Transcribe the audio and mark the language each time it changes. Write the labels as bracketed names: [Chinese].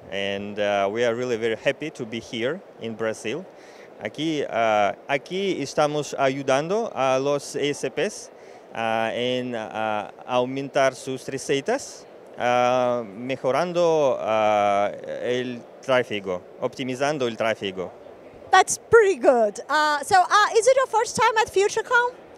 [English] And we are really very happy to be here in Brazil. [Portuguese] Aqui estamos ajudando [Spanish] a los ESPs en aumentar sus receitas, mejorando el tráfico, optimizando el tráfico. [English] That's pretty good. So is it your first time at Futurecom?